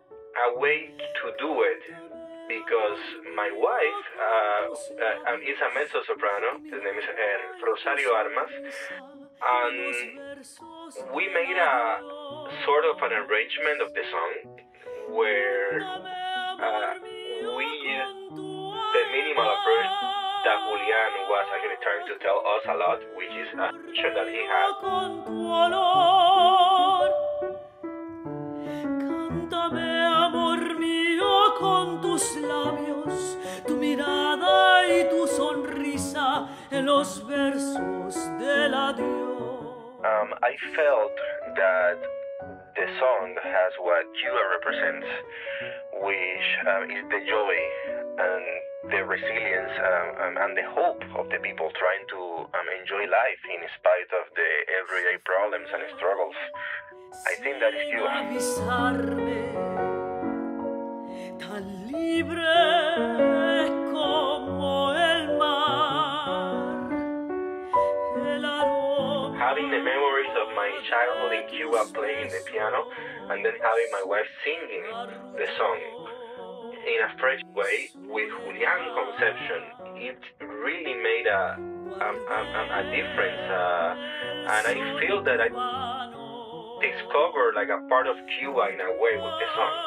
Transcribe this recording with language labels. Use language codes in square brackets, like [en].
[en] a way to do it, because my wife is a mezzo soprano, her name is Rosario Armas, and we made a sort of an arrangement of the song where we used the minimal approach that Julian was actually trying to tell us a lot, which is a mission that he had. [es] Cántame, amor mío, con tus labios, tu mirada y tu sonrisa en los versos del adiós. [en] I felt that the song has what Cuba represents, which is the joy and the resilience and the hope of the people trying to enjoy life in spite of the everyday problems and struggles. I think that is Cuba. [es] Avisarme, tan libre como el mar, el aroma. [en] Having the memories of my childhood in Cuba playing the piano and then having my wife singing the song in a fresh way, with Julián conception, it really made a difference. And I feel that I discovered like a part of Cuba in a way with the song.